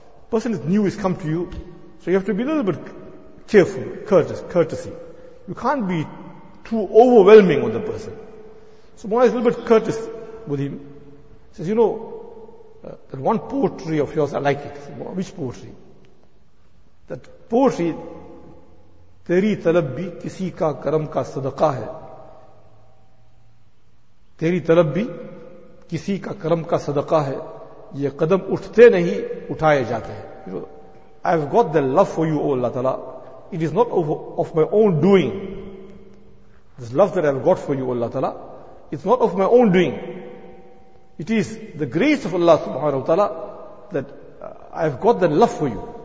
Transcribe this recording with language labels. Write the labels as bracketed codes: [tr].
[en] Person is new, is come to you, so you have to be a little bit careful, courtesy. You can't be too overwhelming on the person. So Muay is a little bit courteous with him. He says, "You know, that one poetry of yours, I like it." "Which poetry?" "That poetry, [ur] تیری طلب بھی کسی کا کرم کا صدقہ ہے، تیری طلب بھی کسی کا کرم کا صدقہ ہے، یہ قدم اٹھتے نہیں اٹھائے جاتے ہیں. [en] I've got the love for you, O Allah Ta'ala. It is not of my own doing. This love that I've got for you, O Allah Ta'ala, it's not of my own doing. It is the grace of Allah Subhanahu Wa Ta'ala that I've got the love for you.